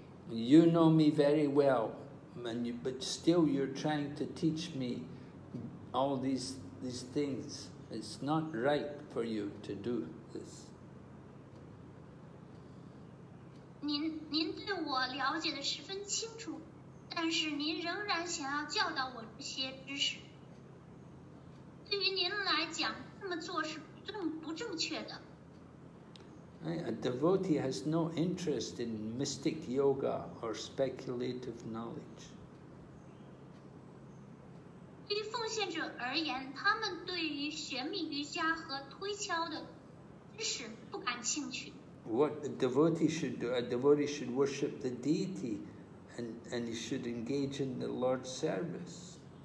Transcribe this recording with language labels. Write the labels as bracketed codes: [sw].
[en] You know me very well, but still you're trying to teach me all these things. It's not right for you to do this. [zh] 您对我了解得十分清楚, 但是您仍然想要教导我这些知识。对于您来讲, 那么做是不正确的。 [en] A devotee has no interest in mystic yoga or speculative knowledge. [zh] 对于奉献者而言, 他们对于玄秘瑜伽和推敲的知识不感兴趣。 [en] What a devotee should do, a devotee should worship the deity and he should engage in the Lord's service.